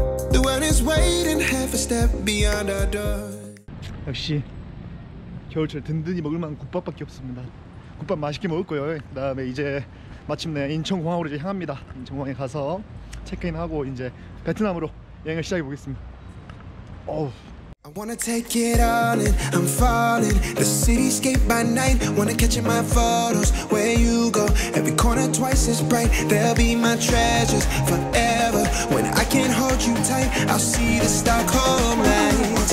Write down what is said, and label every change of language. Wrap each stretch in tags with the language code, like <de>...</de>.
<en>The world is waiting half a step beyond our door.</en> <ko>역시 겨울철 든든히 먹을 만한 국밥밖에 없습니다. 국밥 맛있게 먹었고요. 그다음에 이제 마침내 인천공항으로 이제 향합니다. 인천공항에 가서 체크인하고 이제 베트남으로 여행을 시작해 보겠습니다. 어우.</ko> <en>I wanna take it all in, I'm falling. The cityscape by night, wanna catch my photos where you go. Every corner twice as bright, there'll be my treasures forever. When I can't hold you tight, I'll see the Stockholm lights.</en>